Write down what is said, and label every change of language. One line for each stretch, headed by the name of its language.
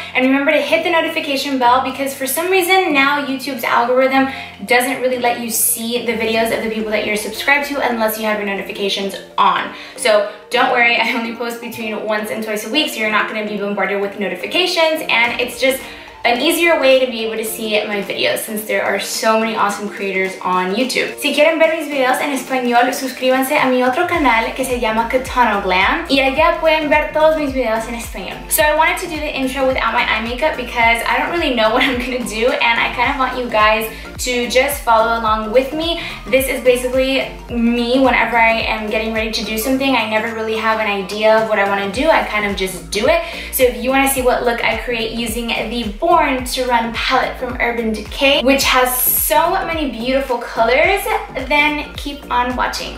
English: And remember to hit the notification bell because for some reason now YouTube's algorithm doesn't really let you see the videos of the people that you're subscribed to unless you have your notifications on. So don't worry, I only post between once and twice a week, so you're not gonna be bombarded with notifications, and it's just an easier way to be able to see my videos since there are so many awesome creators on YouTube.
Spanish: Si quieren ver mis videos en español, suscríbanse a mi otro canal que se llama CATANO GLAM y allá pueden ver todos mis videos en español.
English: So I wanted to do the intro without my eye makeup because I don't really know what I'm gonna do and I kind of want you guys to just follow along with me. This is basically me whenever I am getting ready to do something. I never really have an idea of what I wanna do. I kind of just do it. So if you wanna see what look I create using the Born to Run palette from Urban Decay, which has so many beautiful colors, then keep on watching.